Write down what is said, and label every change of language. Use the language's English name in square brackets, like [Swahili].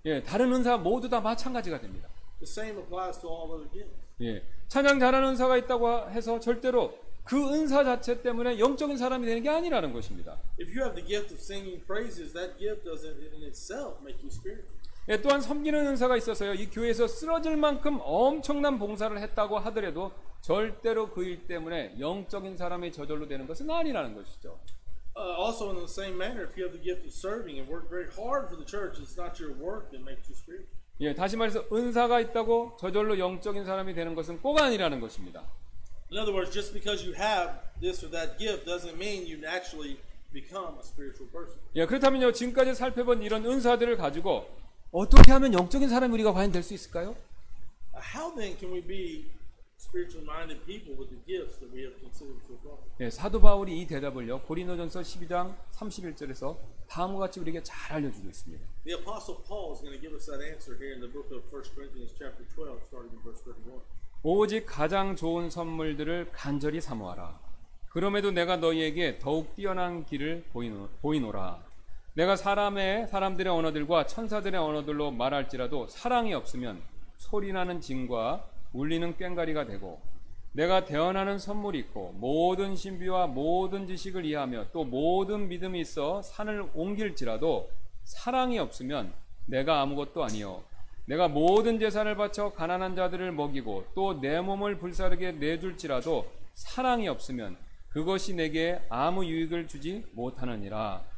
[Korean] 예, 다른 은사 모두 다 마찬가지가 됩니다. [English] The same applies to all other gifts. [Korean] 예, 찬양 잘하는 은사가 있다고 해서 절대로 그 은사 자체 때문에 영적인 사람이 되는 게 아니라는 것입니다. [English] If you have the gift of singing praises, that gift doesn't in itself make you spiritual. [Korean] 예, 또한 섬기는 은사가 있어서요. 이 교회에서 쓰러질 만큼 엄청난 봉사를 했다고 하더라도 절대로 그 일 때문에 영적인 사람이 저절로 되는 것은 아니라는 것이죠. [English] Also in the same manner, if you have the gift of serving and work very hard for the church, it's not your work that makes you spiritual. [Korean] 예, 다시 말해서 은사가 있다고 저절로 영적인 사람이 되는 것은 꼭 아니라는 것입니다. [English] In other words, just because you have this or that gift doesn't mean you naturally become a spiritual person. [Korean] 예, 그렇다면요, 지금까지 살펴본 이런 은사들을 가지고 어떻게 하면 영적인 사람이 우리가 과연 될 수 있을까요? [English] How then can we be spiritual-minded people with the gifts that we have considered so far. [Korean] 예, 사도 바울이 이 대답을요 고린도전서 12장 31절에서 다음과 같이 우리에게 잘 알려주고 있습니다. [English] The apostle Paul is going to give us that answer here in the book of 1 Corinthians chapter 12, starting in verse 31. [Korean] 오직 가장 좋은 선물들을 간절히 사모하라. 그럼에도 내가 너희에게 더욱 뛰어난 길을 보이노라. 내가 사람들의 언어들과 천사들의 언어들로 말할지라도 사랑이 없으면 소리 나는 징과 울리는 꽹가리가 되고 내가 대언하는 선물이 있고 모든 신비와 모든 지식을 이해하며 또 모든 믿음이 있어 산을 옮길지라도 사랑이 없으면 내가 아무것도 아니요 내가 모든 재산을 바쳐 가난한 자들을 먹이고 또 내 몸을 불사르게 내줄지라도 사랑이 없으면 그것이 내게 아무 유익을 주지 못하느니라.